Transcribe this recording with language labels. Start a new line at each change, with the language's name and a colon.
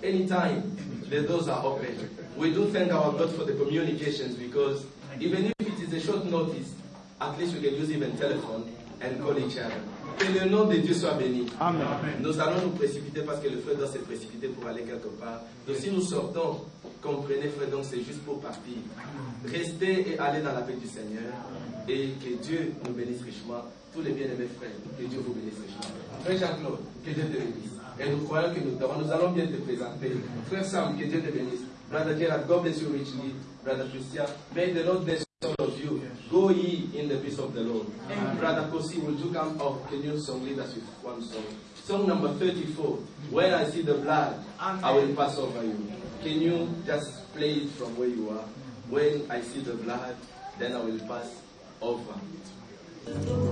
English: Anytime the doors are open, we do thank our God for the communications, because even if it is a short notice, at least we can use even telephone and call each other.
French: Que le nom de Dieu soit béni. Amen. Nous allons nous précipiter parce que le frère doit se précipiter pour aller quelque part. Donc si nous sortons, comprenez frère, donc c'est juste pour partir. Restez et allez dans la paix du Seigneur. Et que Dieu nous bénisse richement. Tous les bien-aimés frères, que Dieu vous bénisse richement. Frère Jean-Claude, que Dieu te bénisse. Et nous croyons que nous allons bien te présenter. Frère Sam, que Dieu te bénisse.
English: Brother Gerard, God bless you richly. Brother Christian, may the Lord bless all of you. Go ye in the peace of the Lord. Amen. Brother Kosi, would you come up? Can you song lead us with one song? Song number 34. When I see the blood, Amen. I will pass over you. Can you just play it from where you are? When I see the blood, then I will pass over.